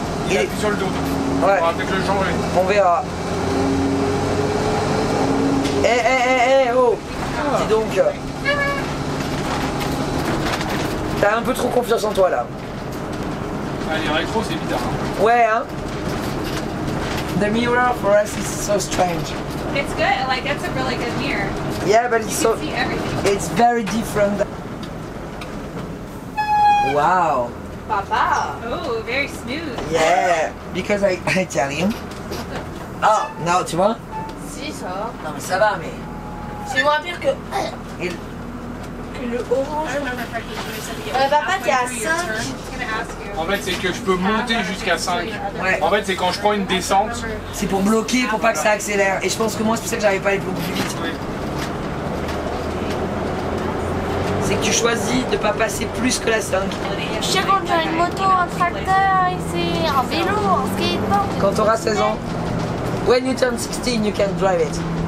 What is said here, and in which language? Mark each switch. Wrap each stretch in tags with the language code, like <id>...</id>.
<fr>Et sur le dos. Ouais. On va peut-être le changer. On verra. Dis donc. T'as un peu trop confiance en toi là. Allez, rétro, c'est bizarre. Ouais, hein.</fr> <en>The mirror for us is so strange. It's good, like that's a really good mirror. Yeah, but it's you so. Can see everything. It's very different. Wow. Papa. Oh, very smooth. Yeah, because I tell him. Oh, no,</en> <fr>tu vois? Si, ça. Non, mais ça va, mais. C'est moins pire que. Que le orange. Papa, t'es à 5. En fait, c'est que je peux monter jusqu'à 5. Ouais. En fait, c'est quand je prends une descente. C'est pour bloquer, pour pas que ça accélère. Et je pense que moi, c'est pour ça que j'arrive pas à aller beaucoup plus vite. Oui. C'est que tu choisis de pas passer plus que la 5. Je sais conduire une moto, un tracteur, ici, un vélo, un skateboard. Quand tu auras 16 ans.</fr> <en>When you turn 16, you can drive it.</en>